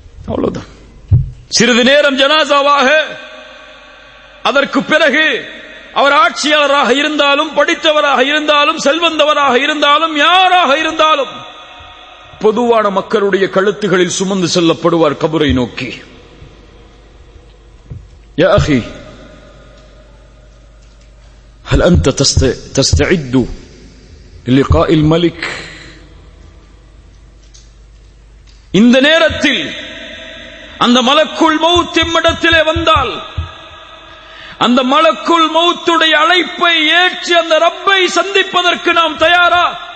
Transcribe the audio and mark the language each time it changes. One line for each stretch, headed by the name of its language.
Tamil: அவ்வளவுதான், சிறிது நேரம் ஜனாசாவாக, அதற்கு பிறகு அவர் ஆட்சியாளராக இருந்தாலும், படித்தவராக இருந்தாலும், செல்வந்தவராக இருந்தாலும், யாராக இருந்தாலும், பொதுவான மக்களுடைய கழுத்துகளில் சுமந்து செல்லப்படுவார் கபரை நோக்கி.
Arabic: யாஹி هل أنت تستعد للقاء الملك؟
Tamil: இந்த நேரத்தில் அந்த மலக்குல் மௌத் இம்மிடத்திலே வந்தால், அந்த மலக்குல் மௌத்துடைய அழைப்பை ஏற்று அந்த ரப்பை சந்திப்பதற்கு நாம் தயாரா?